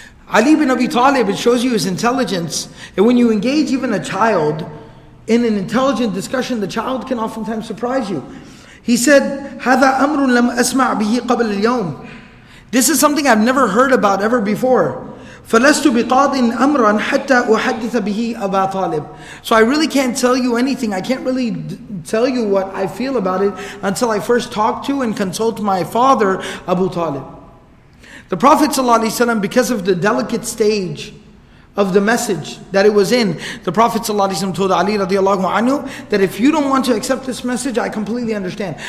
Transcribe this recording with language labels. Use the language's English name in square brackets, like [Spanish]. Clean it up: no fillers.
[English] Ali ibn Abi Talib, it shows you his intelligence. And when you engage even a child in an intelligent discussion, the child can oftentimes surprise you. He said, [Arabic] "Hada amrun lam asma' bihi qabla al-yawm." [English] This is something I've never heard about ever before. [Arabic] فَلَسْتُ بِقَاضٍ أَمْرًا حَتَّى أُحَدِّثَ بِهِ أَبَا طَالِبٍ. [English] So I really can't tell you anything. I can't really tell you what I feel about it until I first talk to and consult my father, Abu Talib. The Prophet ﷺ, because of the delicate stage of the message that it was in, the Prophet ﷺ told Ali radiallahu anhu that if you don't want to accept this message, I completely understand.